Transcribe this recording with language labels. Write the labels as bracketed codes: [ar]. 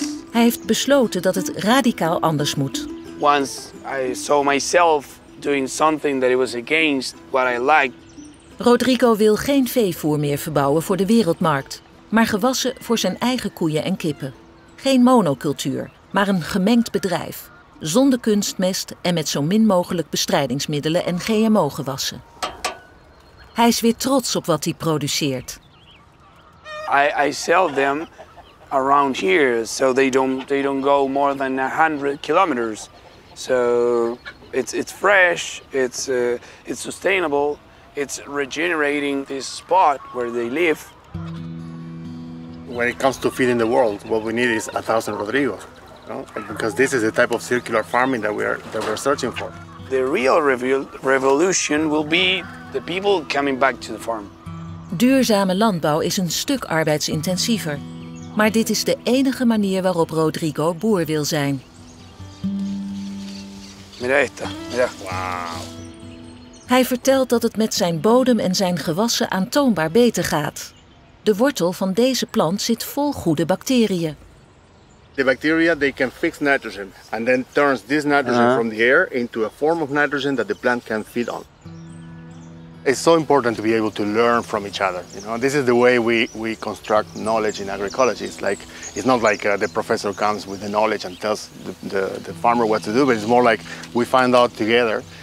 [nl] Hij heeft besloten dat het radicaal anders moet. [en] Once I saw myself doing something that it was against what I liked. [nl] Rodrigo wil geen veevoer meer verbouwen voor de wereldmarkt, maar gewassen voor zijn eigen koeien en kippen. Geen monocultuur, maar een gemengd bedrijf. Zonder kunstmest en met zo min mogelijk bestrijdingsmiddelen en GMO-gewassen. Hij is weer trots op wat hij produceert. [en] I sell them around here, so they don't go more than 100 kilometers. So it's fresh, it's sustainable. It's regenerating this spot where they live. When it comes to feeding the world, what we need is 1,000 Rodrigos, you know? Because this is the type of circular farming that we're searching for. The real revolution will be the people coming back to the farm. [nl] Duurzame landbouw is een stuk arbeidsintensiever, maar dit is de enige manier waarop Rodrigo boer wil zijn. [es] Mira esta. Mira. Wow. [nl] Hij vertelt dat het met zijn bodem en zijn gewassen aantoonbaar beter gaat. De wortel van deze plant zit vol goede bacteriën. [en] The bacteria they can fix nitrogen and then turns this nitrogen from the air into a form of nitrogen that the plant can feed on. It's so important to be able to learn from each other. You know, this is the way we construct knowledge in agroecology. It's not like the professor comes with the knowledge and tells the farmer what to do, but it's more like we find out together.